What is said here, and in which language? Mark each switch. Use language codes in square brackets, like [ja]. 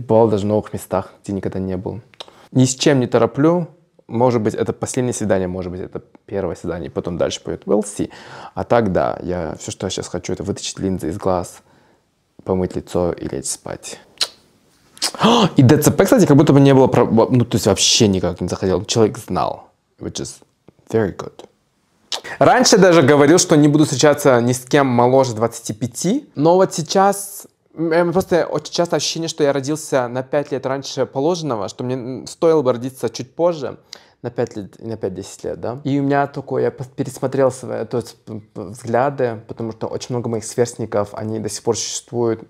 [ru] Был даже в новых местах, где никогда не был. Ни с чем не тороплю. Может быть, это последнее свидание, может быть, это первое свидание, и потом дальше пойдет. [en] We'll see. [ru] А так, да, я все, что я сейчас хочу, это вытащить линзы из глаз, помыть лицо и лечь спать. И ДЦП, кстати, как будто бы не было, ну, то есть вообще никак не заходил. Человек знал, [en] which is very good. [ru] Раньше даже говорил, что не буду встречаться ни с кем моложе 25, но вот сейчас... Просто очень часто ощущение, что я родился на 5 лет раньше положенного, что мне стоило бы родиться чуть позже, на 5 лет и на 5-10 лет, да? И у меня такое, я пересмотрел свои то есть, взгляды, потому что очень много моих сверстников, они до сих пор существуют.